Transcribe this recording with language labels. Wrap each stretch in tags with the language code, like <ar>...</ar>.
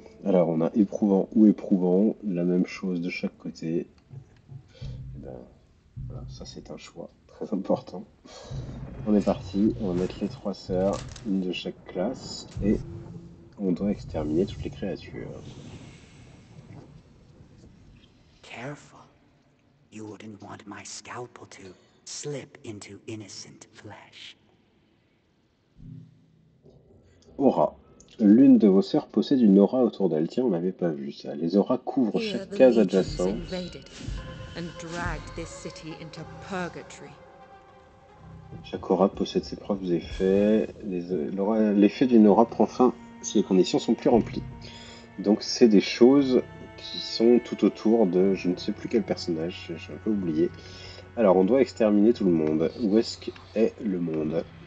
<fr>Alors on a éprouvant ou éprouvant, la même chose de chaque côté. Voilà, ça c'est un choix très important. On est parti, on va mettre les trois sœurs, une de chaque classe, et on doit exterminer toutes les créatures.</fr> <en>Careful. You wouldn't want my scalpel to slip into innocent flesh. Aura.</en> <fr>L'une de vos sœurs possède une aura autour d'elle. Tiens, on n'avait pas vu ça. Les auras couvrent</fr> <en>here,</en> <fr>chaque case adjacente.</fr> <en>And dragged this city into purgatory.</en> <fr>Chaque aura possède ses propres effets. L'effet d'une aura prend fin si les conditions sont plus remplies. Donc c'est des choses qui sont tout autour de je ne sais plus quel personnage, j'ai un peu oublié. Alors on doit exterminer tout le monde. Où est-ce qu'est le monde?</fr>